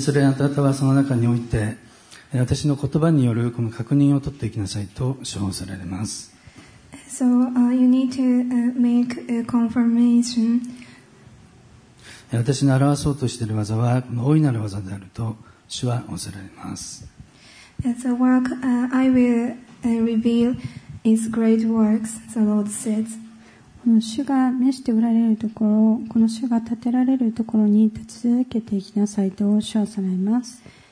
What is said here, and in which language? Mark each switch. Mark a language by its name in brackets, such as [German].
[Japanese] それあなたはその中において私の言葉によるこの確認を取っていきなさいと主は仰せられます。 [English] So, you need to make a confirmation. [Japanese] 私の表そうとしている技はこの大いなる技であると主は仰せられます。 [English] The work I will reveal is great works, the Lord says. [Japanese] この主が召しておられるところ、この主が建てられるところに立ち続けていきなさいと主は仰せられます。